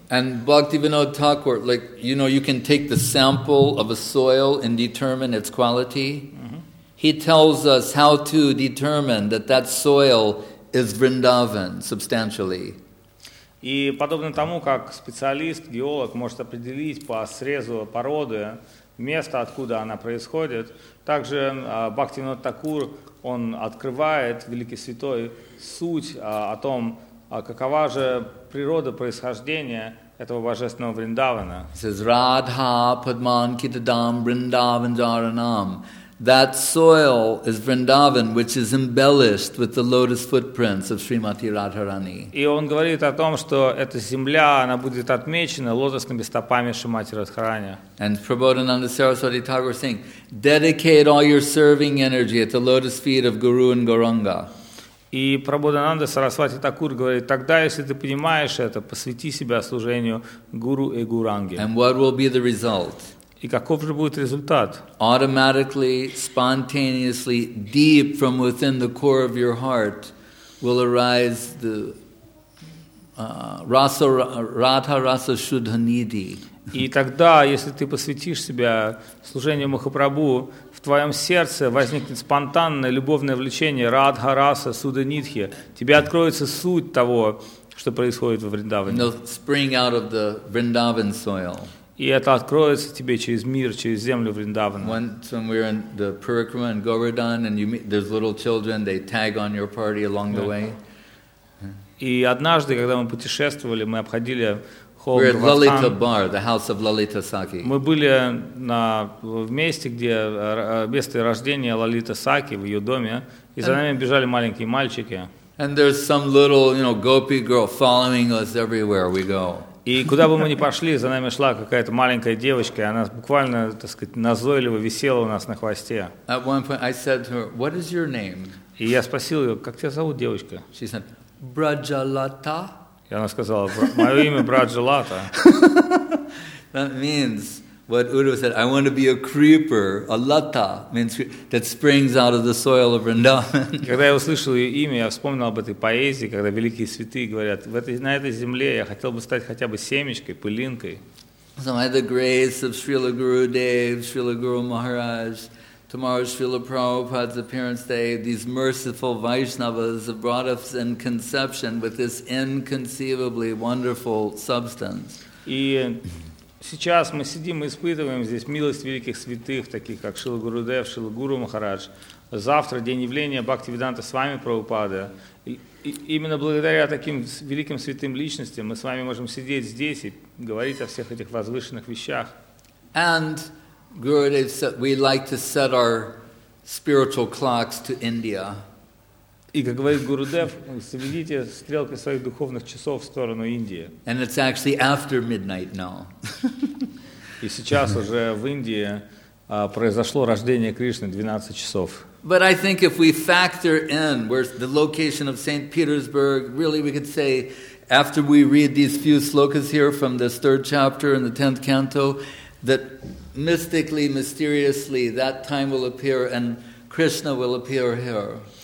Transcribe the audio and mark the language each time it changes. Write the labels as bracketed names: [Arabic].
[English] And Bhaktivinoda Thakur, like, you know, you can take the sample of a soil and determine its quality. He tells us how to determine that that soil is Vrindavan, substantially. [Russian] И подобно тому, как специалист, геолог может определить по срезу породы место, откуда она происходит, также Бхактивинода Такур, он открывает, великий святой, суть о том, какова же природа происхождения этого божественного Вриндавана. [English] He says, Radha Padman Kitadam Vrindavan Jaranam. That soil is Vrindavan, which is embellished with the lotus footprints of Srimati Radharani. [Russian] И он говорит о том, что эта земля, она будет отмечена лотосными стопами Шримати Радхарани. [English] And Prabodhananda Saraswati Thakur saying, dedicate all your serving energy at the lotus feet of Guru and Gauranga. [Russian] И Прабхудананда Сарасвати Такур говорит, тогда, если ты понимаешь это, посвяти себя служению гуру и гуранге. [English] And what will be the result? [Russian] И каков же будет результат? [English] Automatically, spontaneously, deep from within the core of your heart will arise the Radha Rasa Shuddha Nidhi. [Russian] И тогда, если ты посвятишь себя служению Махапрабху, в твоем сердце возникнет спонтанное любовное влечение Радха Раса Суда Нидхи. Тебе откроется суть того, что происходит во Вриндаване. [English] They'll spring out of the Vrindavan soil. [Russian] И это откроется тебе через мир, через землю Вриндавана. [English] Once when we're in the Parikrama and Govardhan, and you meet, there's little children, they tag on your party along the way. [Russian] И однажды, когда мы путешествовали, мы обходили холм Вартан. [English] We're at Lalita Bar, the house of Lalita Saki. [Russian] Мы были на месте, где место рождения Лалита Саки, в ее доме, и за нами бежали маленькие мальчики. [English] And there's some little, you know, gopi girl following us everywhere we go. [Russian] И куда бы мы ни пошли, за нами шла какая-то маленькая девочка, и она буквально, так сказать, назойливо висела у нас на хвосте. [English] At one point I said to her, "What is your name?" [Russian] И я спросил ее, как тебя зовут, девочка? [English] She said, Браджалата. [Russian] И она сказала, мое имя Браджалата. [English] That means what Uddhava said, I want to be a creeper, a lata, means that springs out of the soil of Vrindavan. [Russian] Когда я услышал ее имя, я вспомнил об этой поэзии, когда великие святые говорят, на этой земле я хотел бы стать хотя бы семечкой, пылинкой. [English] So by the grace of Srila Gurudev, Srila Guru Maharaj, tomorrow's Srila Prabhupada's appearance day, these merciful Vaishnavas have brought us in conception with this inconceivably wonderful substance. [Russian] И сейчас мы сидим и испытываем здесь милость великих святых, таких как Шрила Гурудев, Шрила Гуру Махарадж. Завтра день явления Бхактивиданта с вами, Прабхупада. Именно благодаря таким великим святым личностям мы с вами можем сидеть здесь и говорить о всех этих возвышенных вещах. [English] And Gurudev said, we like to set our spiritual clocks to India. [Russian] И как говорит Гурудев, сведите стрелки своих духовных часов в сторону Индии. [English] And it's actually after midnight now. [Russian] И сейчас уже в Индии произошло рождение Кришны 12 часов. [English] But I think if we factor in where the location of St. Petersburg, really we could say, after we read these few slokas here from this third chapter in the 10th canto, that mystically, mysteriously, that time will appear and Krishna will appear here.